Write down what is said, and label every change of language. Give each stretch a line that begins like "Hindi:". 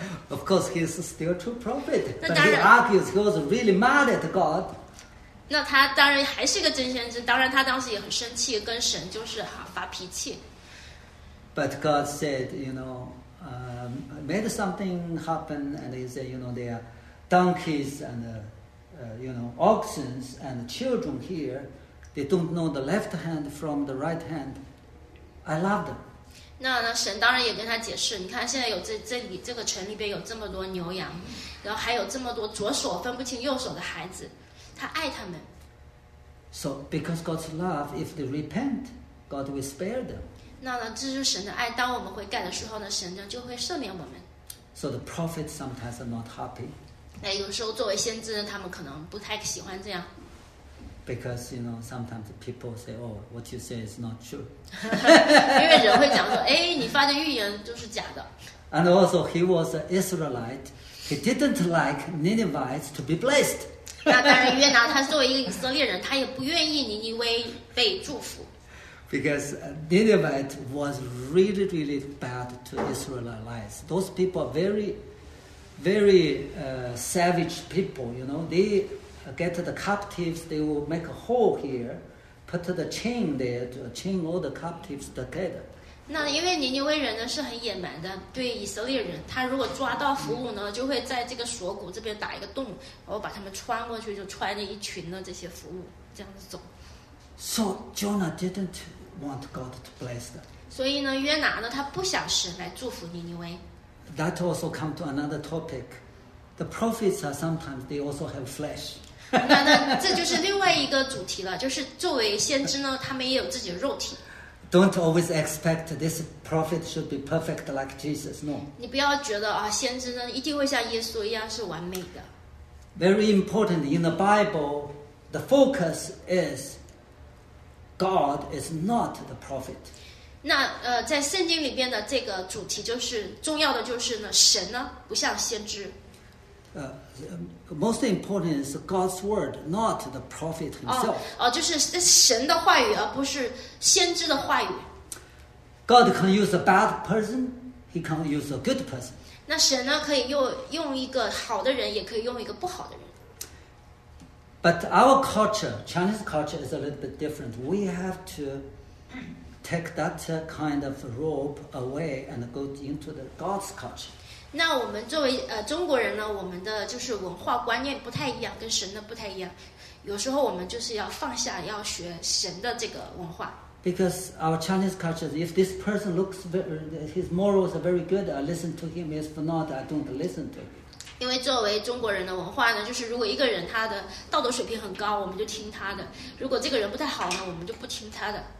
English: Of course, he is still a true prophet. But he argues he was really mad at God.
Chinese: 那他当然还是一个真先知，当然他当时也很生气，跟神就是发脾气。
English: But God said, you know,made something happen, and he said, you know, there are donkeys and, you know, oxen and children here. They don't know the left hand from the right hand. I love them.
Chinese: 那神当然也跟他解释，你看现在有这里这个城里边有这么多牛羊，然后还有这么多左手分不清右手的孩子，他爱他们。
English: So because God's love, if they repent, God will spare them.
Chinese: 那这是神的爱，当我们悔改的时候呢，神就会赦免我们。
English: So the prophets sometimes are not happy.
Chinese: 那有时候作为先知，他们可能不太喜欢这样。
English: Because, you know, sometimes people say, oh, what you say is not true.
Chinese: 因为人会讲说，哎，你发的预言都是假的。
English: And also, he was an Israelite. He didn't like Ninevites to be blessed.
Chinese: 那当然，约拿他作为一个以色列人，他也不愿意尼尼微被祝福。
English: Because Nineveh was really, really bad to Israelites. Those people are very, very savage people, you know. They get the captives, they will make a hole here, put the chain there to chain all the captives together.
Chinese: 那因为尼尼微人呢是很野蛮的，对以色列人，他如果抓到俘虏呢，就会在这个锁骨这边打一个洞，然后把他们穿过去，就穿着一群的这些俘虏这样子走。
English: So Jonah didn't want God to bless them.
Chinese: 所以呢，约拿呢，他不想神来祝福尼尼微。
English: That also come to another topic. The prophets are sometimes they also have flesh.
Chinese: 那这就是另外一个主题了，就是作为先知呢，他们也有自己的肉体。
English: Don't always expect this prophet should be perfect like Jesus. No.
Chinese: 你不要觉得啊，先知呢一定会像耶稣一样是完美的。
English: Very important in the Bible, the focus is. God is not the prophet.
Chinese: 那在圣经里边的这个主题就是重要的，就是呢，神呢不像先知。
English: Most important is God's word, not the prophet himself.
Chinese: 就是神的话语，而不是先知的话语。
English: God can use a bad person, he can use a good person.
Chinese: 那神呢，可以用一个好的人，也可以用一个不好的人。
English: But our culture, Chinese culture, is a little bit different. We have to take that kind of robe away and go into the God's culture.
Chinese: 那我们作为中国人呢，我们的就是文化观念不太一样，跟神的不太一样。有时候我们就是要放下，要学神的这个文化。
English: Because our Chinese culture, if this person looks very, his morals are very good, I listen to him. If not, I don't listen to him.
Chinese: 因为作为中国人的文化呢，就是如果一个人他的道德水平很高，我们就听他的；如果这个人不太好呢，我们就不听他的。